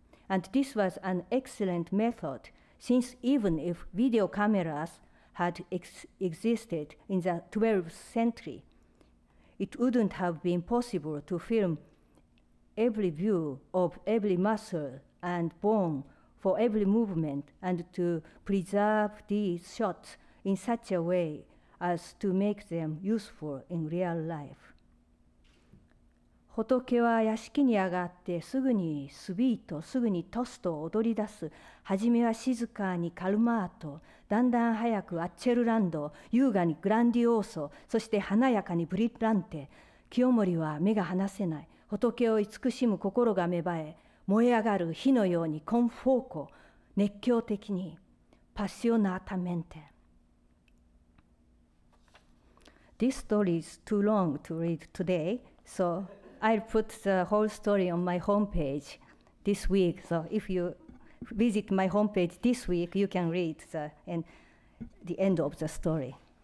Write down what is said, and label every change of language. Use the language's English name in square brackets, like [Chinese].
[English] And this was an excellent method, since even if video cameras had existed in the 12th century, it wouldn't have been possible to film every view of every muscle and bone for every movement and to preserve these shots in such a way as to make them useful in real life. [Japanese] 仏は屋敷に上がってすぐにスビート、すぐにトスと踊り出す。はじめは静かにカルマート、だんだん早くアッチェルランド、優雅にグランディオーソ、そして華やかにブリッランテ。清盛は目が離せない。仏を慈しむ心が芽生え、燃え上がる火のようにコンフォーコ、熱狂的に、パッシオナータメンテ。 [English] This story is too long to read today, so I'll put the whole story on my homepage this week. So if you visit my homepage this week, you can read the end of the story.